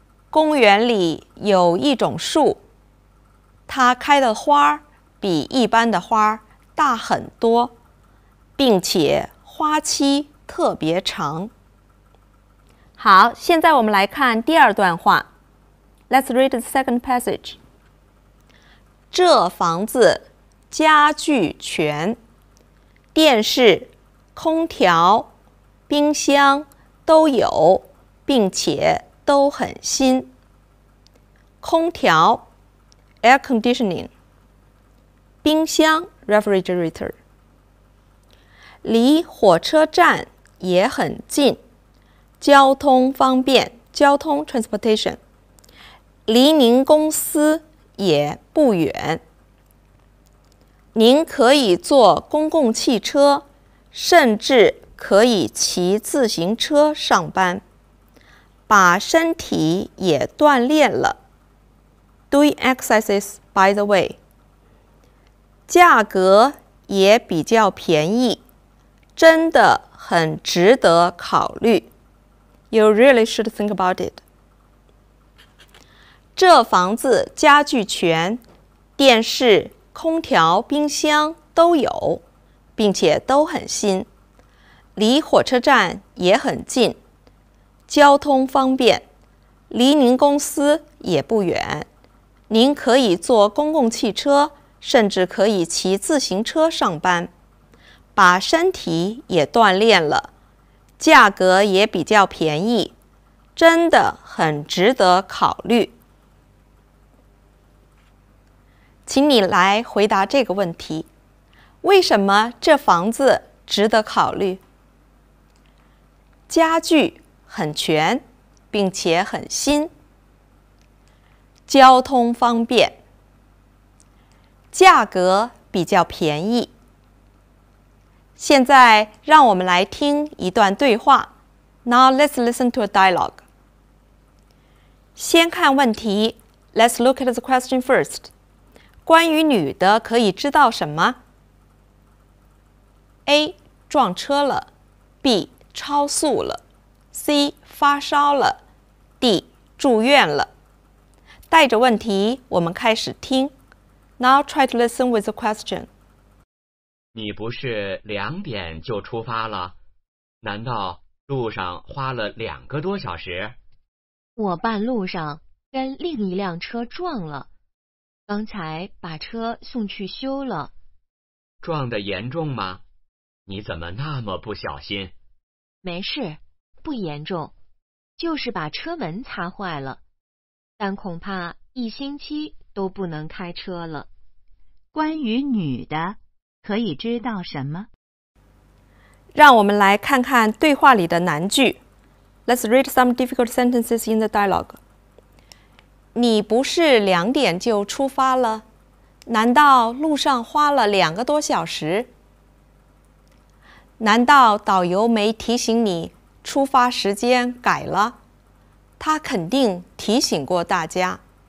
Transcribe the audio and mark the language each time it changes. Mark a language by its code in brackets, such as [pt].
[zh] 公园里有一种树，它开的花比一般的花大很多，并且花期特别长。好，现在我们来看第二段话。 [en] Let's read the second passage. [zh] 这房子家具全，电视、空调、冰箱都有，并且都很新。空调 air conditioning， 冰箱 refrigerator， 离火车站也很近，交通方便，交通 transportation。离您公司也不远，您可以坐公共汽车，甚至可以骑自行车上班，把身体也锻炼了。 [en] Doing exercises by the way， [zh] 价格也比较便宜，真的很值得考虑。 [en] You really should think about it. [zh] 这房子家具全，电视、空调、冰箱都有，并且都很新。离火车站也很近，交通方便，离您公司也不远。您可以坐公共汽车，甚至可以骑自行车上班。把身体也锻炼了，价格也比较便宜，真的很值得考虑。请你来回答这个问题，为什么这房子值得考虑？家具很全，并且很新。交通方便，价格比较便宜。现在让我们来听一段对话。 [en] Now let's listen to a dialogue. [zh] 先看问题。 [en] Let's look at the question first. [zh] 关于女的可以知道什么？ A. 撞车了。B. 超速了。C. 发烧了。 D. 住院了。带着问题，我们开始听。 [en] Now try to listen with the question. [zh] 你不是两点就出发了？难道路上花了两个多小时？我半路上跟另一辆车撞了，刚才把车送去修了。撞得严重吗？你怎么那么不小心？没事，不严重，就是把车门擦坏了，但恐怕一星期都不能开车了。关于女的可以知道什么？让我们来看看对话里的难句。 [en] Let's read some difficult sentences in the dialogue. [zh] 你不是两点就出发了？难道路上花了两个多小时？难道导游没提醒你出发时间改了？他肯定提醒过大家。